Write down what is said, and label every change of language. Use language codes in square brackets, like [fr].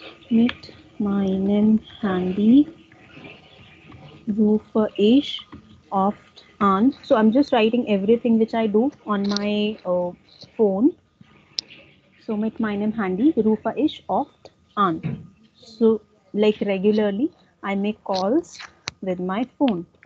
[de] Mit meinem Handy rufe ich oft an. [en] So I'm just writing everything which I do on my phone. [de] So mit meinem Handy rufe ich oft an. [en] So like regularly, I make calls with my phone.